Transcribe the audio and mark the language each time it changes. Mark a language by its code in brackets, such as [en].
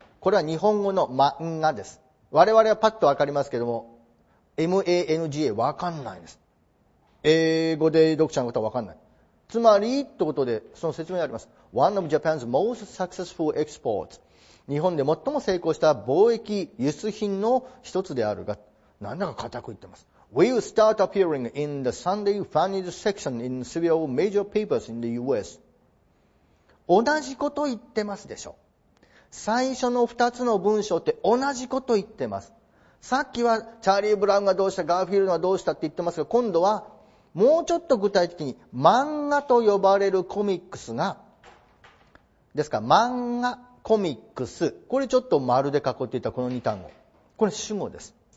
[ja] これは日本語の漫画です。我々はパッとわかりますけども、MANGA わかんないです。英語で読者のことはわかんない。つまり、ってことで、その説明があります。 [en] One of Japan's most successful exports。 [ja] 日本で最も成功した貿易輸出品の一つであるが、なんだか固く言ってます。 [en] Will start appearing in the Sunday Funny section in several major papers in the US. [ja] 同じこと言ってますでしょ。最初の二つの文章って同じこと言ってます。さっきはチャーリー・ブラウンがどうした、ガーフィールドがどうしたって言ってますが、今度はもうちょっと具体的に漫画と呼ばれるコミックスが、ですから漫画、コミックス、これちょっと丸で囲っていたこの2単語、これ主語です。